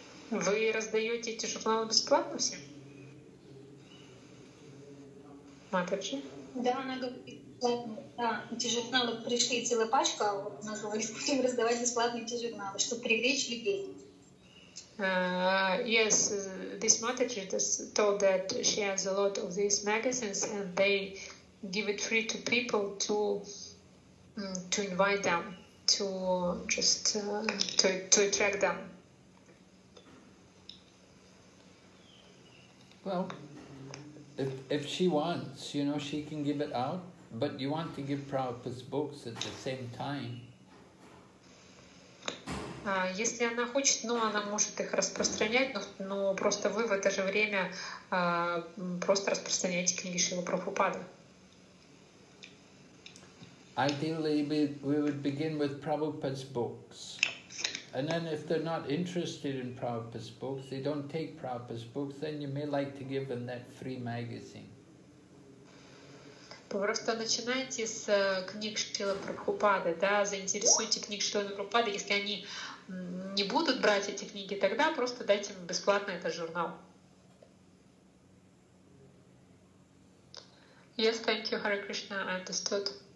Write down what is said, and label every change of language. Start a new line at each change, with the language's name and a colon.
Russian: Вы раздаете эти журналы бесплатно всем? Да, она говорит, да, эти журналы пришли целая пачка, а вот она говорит, будем раздавать бесплатно эти журналы, чтобы привлечь людей.
English: Yes, this Mataji just told that she has a lot of these magazines and they give it free to people to invite them, to attract them. Well, If she wants, you know, she can give it out, but you want to give Prabhupada's books at the same time.
Russian: Если она хочет, ну, она может их распространять, но просто вы в это же время просто распространяете книги Шрилы Прабхупады.
English: Ideally, we would begin with Prabhupada's books. And then if they're not interested in Prabhupada's books, they don't take Prabhupada's books, then you may like to give them that free magazine.
Russian: Просто начинайте с книг Шрилы Прабхупады, да, заинтересуйте книг Шрилы Прабхупады. Если они не будут брать эти книги, тогда просто дайте им бесплатно этот журнал.
English: Yes, thank you, Hare Krishna, I understood.